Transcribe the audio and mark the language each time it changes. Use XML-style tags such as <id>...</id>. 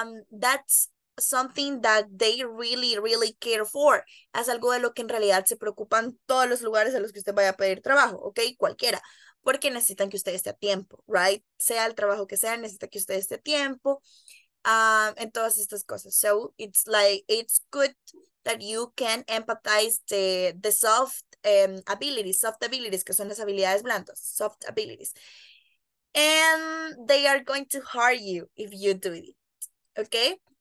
<en>That's something that they really, really care for.</en> <es>Es algo de lo que en realidad se preocupan todos los lugares a los que usted vaya a pedir trabajo, ¿ok? Cualquiera. Porque necesitan que usted esté a tiempo, right? Sea el trabajo que sea, necesita que usted esté a tiempo. En todas estas cosas.</es> <en>So, it's like, it's good that you can empathize the soft abilities. Soft abilities,</en> <es>que son las habilidades blandas.</es> <en>Soft abilities. And they are going to hurt you if you do it. Okay?</en>